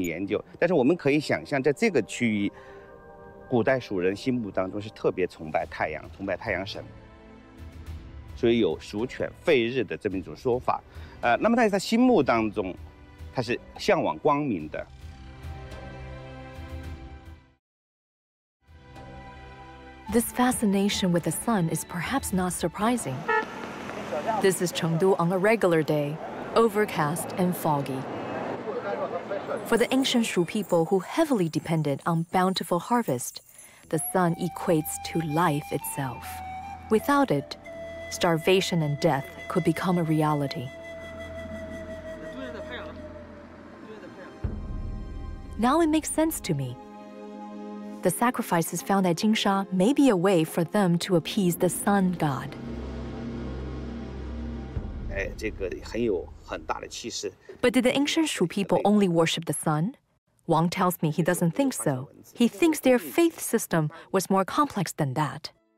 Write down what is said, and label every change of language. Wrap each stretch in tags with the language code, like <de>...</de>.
<zh>古代的树人，他的智慧，他的审美，那么贴附在是一个什么样的东西？现在我们还在进行研究，但是我们可以想象，在这个区域。古代蜀人心目当中是特别崇拜太阳，崇拜太阳神，所以有蜀犬吠日的这么一种说法。那么在他心目当中，他是向往光明的。</zh> <en>This fascination with the sun is perhaps not surprising. This is Chengdu on a regular day, overcast and foggy. For the ancient Shu people who heavily depended on bountiful harvest, the sun equates to life itself. Without it, starvation and death could become a reality. Now it makes sense to me. The sacrifices found at Jinsha may be a way for them to appease the sun god.</en> <zh>哎，这个很有很大的气势。</zh> <en>But did the ancient Shu people only worship the sun? Wang tells me he doesn't think so. He thinks their faith system was more complex than that.</en>